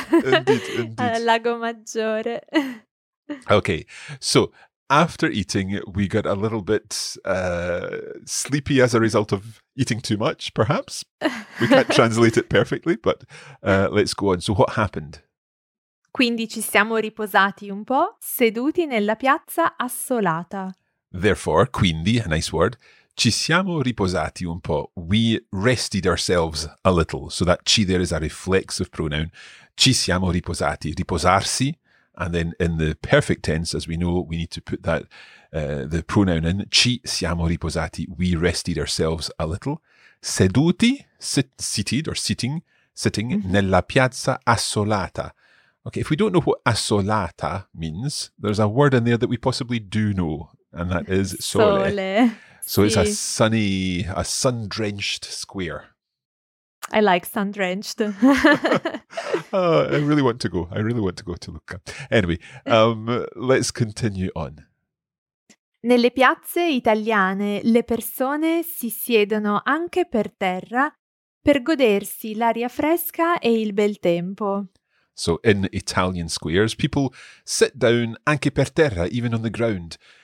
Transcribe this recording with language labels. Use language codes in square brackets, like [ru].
[en] Indeed. [it] Lago Maggiore. [en] Okay, so... after eating, we got a little bit sleepy as a result of eating too much, perhaps. We can't translate it perfectly, but let's go on. So what happened? [it] Quindi ci siamo riposati un po', seduti nella piazza assolata. [en] Therefore, quindi, a nice word, [it] ci siamo riposati un po'. [en] We rested ourselves a little. So that ci there is a reflexive pronoun. [it] Ci siamo riposati. [en] Riposarsi. And then in the perfect tense, as we know, we need to put that the pronoun in. [it] Ci siamo riposati. [en] We rested ourselves a little. Seduti, sitting mm-hmm. [it] nella piazza assolata. [en] Okay, if we don't know what assolata means, there's a word in there that we possibly do know, and that is sole. So [it] sì. [en] It's a sunny, a sun-drenched square. I like sun-drenched. I really want to go to Lucca. Anyway, let's continue on. [it] Nelle piazze italiane le persone si siedono anche per terra per godersi l'aria fresca e il bel tempo. [en] So in Italian squares, people sit down [it] anche per terra, [en] even on the ground,